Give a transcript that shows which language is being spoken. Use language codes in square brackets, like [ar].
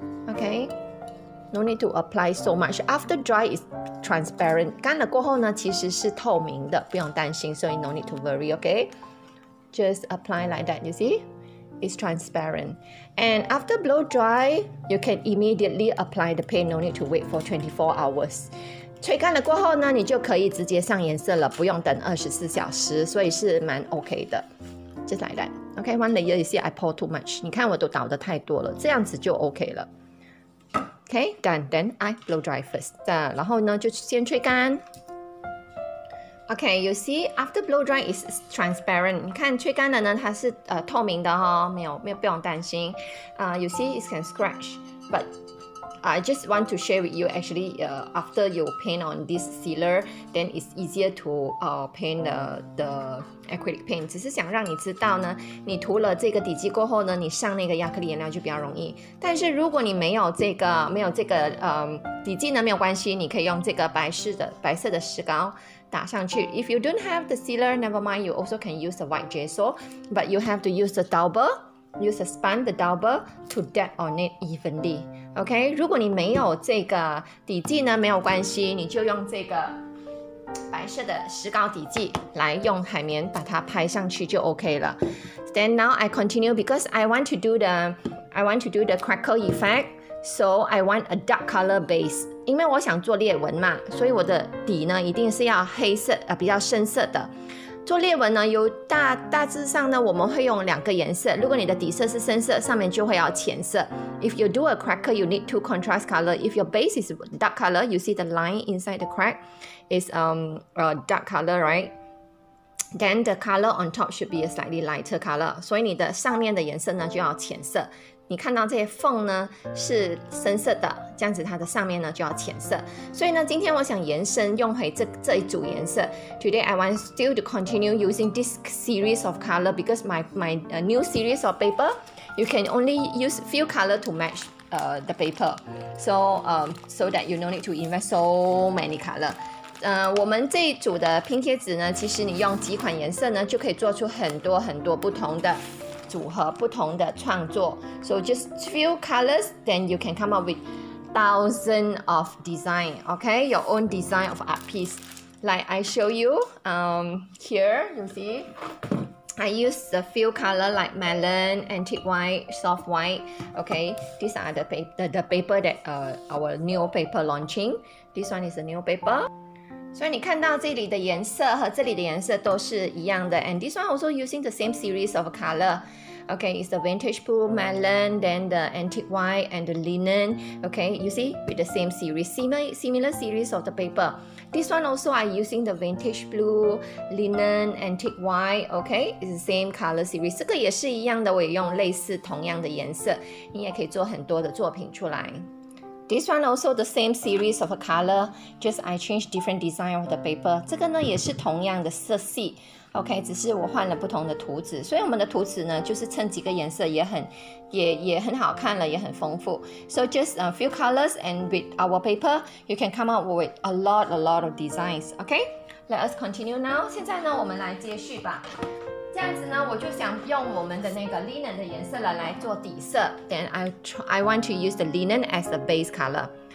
[en] Okay, no need to apply so much. After dry, it's transparent. [zh] 干了过后呢，其实是透明的，不用担心，所以 [en] no need to worry, [zh] okay? [en] Just apply like that, you see? It's transparent. And after blow dry, you can immediately apply the paint, no need to wait for 24 hours. [zh] 吹干了过后呢，你就可以直接上颜色了，不用等24小时，所以是蛮 okay 的。 [en] Just like that. Okay, one layer, you see, I pour too much. [zh] 你看我都倒的太多了，这样子就 okay 了。 [en] Okay, done. Then I blow dry first. [zh] 然后呢，就先吹干。 [en] Okay, you see, after blow dry is transparent. [zh] 你看吹干了呢，它是透明的哈、哦，没有不用担心。 [en] You see, it can scratch, but I just want to share with you. Actually, after you paint on this sealer, then it's easier to paint the acrylic paint. [zh] 只是想让你知道呢，你涂了这个底剂过后呢，你上那个亚克力颜料就比较容易。但是如果你没有这个底剂呢，没有关系，你可以用这个白色的石膏打上去。 [en] If you don't have the sealer, never mind. You also can use the white gesso, but you have to use the dauber. Use a sponge, the dauber, to dab on it evenly. [zh] Okay, 如果你没有这个底剂呢，没有关系，你就用这个白色的石膏底剂来用海绵把它拍上去就 OK 了。 [en] Then now I continue because I want to do the crackle effect. So I want a dark color base. [zh] 因为我想做裂纹嘛，所以我的底呢一定是要黑色，比较深色的。做裂纹呢，有大致上呢，我们会用两个颜色。如果你的底色是深色，上面就会要浅色。 [en] If you do a cracker, you need two contrast color. If your base is dark color, you see the line inside the crack is dark color, right? Then the color on top should be a slightly lighter color. [zh] 所以你的上面的颜色呢就要浅色。你看到这些缝呢是深色的，这样子它的上面呢就要浅色。所以呢，今天我想延伸用回这一组颜色。 [en] Today I want still to continue using this series of color because my new series of paper, you can only use few color to match the paper, so that you no need to invest so many color. [zh] 我们这一组的拼贴纸呢，其实你用几款颜色呢就可以做出很多很多不同的。组合不同的创作 [en] So just few colors Then you can come up with Thousands of design Okay, your own design of art piece Like I show you Here, you see I use a few colors like melon Antique white, soft white Okay, these are the paper That our new paper launching This one is a new paper [zh] 所以你看到这里的颜色和这里的颜色都是一样的 [en] And this one also using the same series of color Okay, it's the vintage blue melon Then the antique white and the linen Okay, you see with the same series similar series of the paper This one also I using the vintage blue linen antique white Okay, it's the same color series [zh] 这个也是一样的我也用类似同样的颜色你也可以做很多的作品出来 [en] This one also the same series of a color, just I change different design of the paper. [zh] 这个呢也是同样的色系 ，OK， 只是我换了不同的图纸。所以我们的图纸呢，就是衬几个颜色也很好看了，也很丰富。 [en] So just a few colors and with our paper, you can come up with a lot of designs. OK, let us continue now. [zh] 现在呢，我们来接续吧。这样子呢，我就想用我们的那个 linen 的颜色了来做底色。 [en] Then I want to use the linen as the base color.